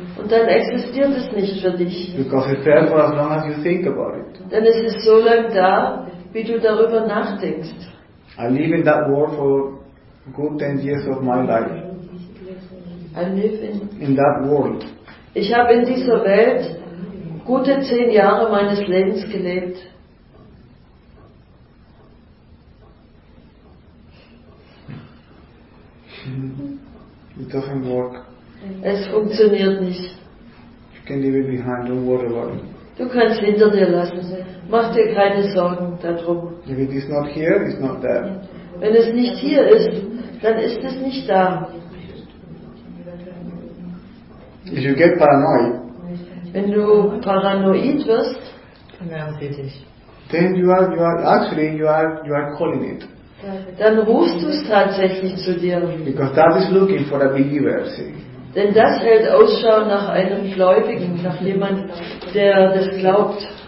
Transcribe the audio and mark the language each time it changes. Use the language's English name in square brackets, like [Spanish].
[German] Und dann existiert es nicht für dich. [English] Because it's there for as long as you think about it. [German] Denn es ist so lange da, wie du darüber nachdenkst. [English] I live in that world for a good 10 years of my life. I live in that world. [German] Ich habe in dieser Welt gute 10 Jahre meines Lebens gelebt. [English] It doesn't work. [German] Es funktioniert nicht. [English] You can leave it behind, don't worry about it. [German] Du kannst hinter dir lassen. Mach dir keine Sorgen darum. [English] If it is not here, it's not there. [German] Wenn es nicht hier ist, dann ist es nicht da. [English] If you get paranoid, [German] wenn du paranoid wirst, dann haben wir dich. [English] Then you are calling it. [German] Dann rufst du es tatsächlich zu dir. [English] Because that is looking for a believer, see. [German] Denn das hält Ausschau nach einem Gläubigen, nach jemand, der das glaubt.